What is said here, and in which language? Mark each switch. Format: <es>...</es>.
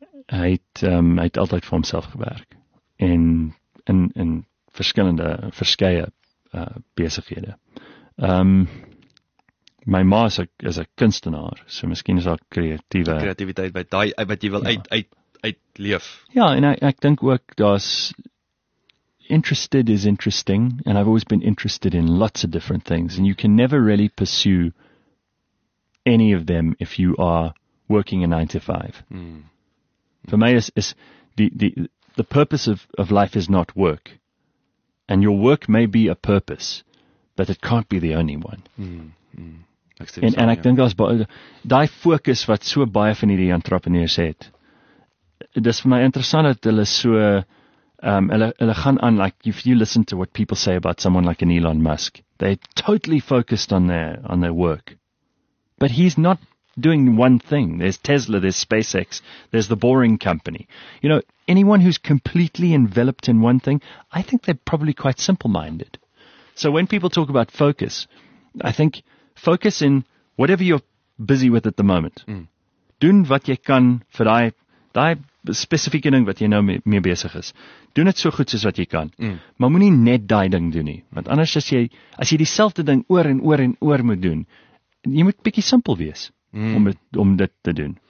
<af>Hy het altyd vir homself gewerk. En in verskeie besighede. My ma is 'n kunstenaar, so miskien is daar kreatiwiteit by daai wat jy wil uitleef. Ja, en ek dink ook daar's</af> <en>interested is interesting, and I've always been interested in lots of different things, and you can never really pursue any of them if you are working a 9-to-5. Mm. For my is the purpose of life is not work, and your work may be a purpose, but it can't be the only one. And I think that's</en> <af>die focus wat so baie van die entrepreneurs het. Dis vir my interessant dat hulle so hulle gaan aan,</af> <en>like if you listen to what people say about someone like an Elon Musk, they're totally focused on their work. But he's not doing one thing. There's Tesla, there's SpaceX, there's the Boring Company. You know, anyone who's completely enveloped in one thing, I think they're probably quite simple-minded. So when people talk about focus, I think focus in whatever you're busy with at the moment. Mm.</en> <af>Doen wat jy kan vir die spesifieke ding wat jy nou mee besig is. Doen het so goed soos wat jy kan. Mm. Maar moenie net die ding doen nie. Want anders as jy dieselfde ding oor en oor en oor moet doen, jy moet bietjie simpel wees om dit te doen.</af>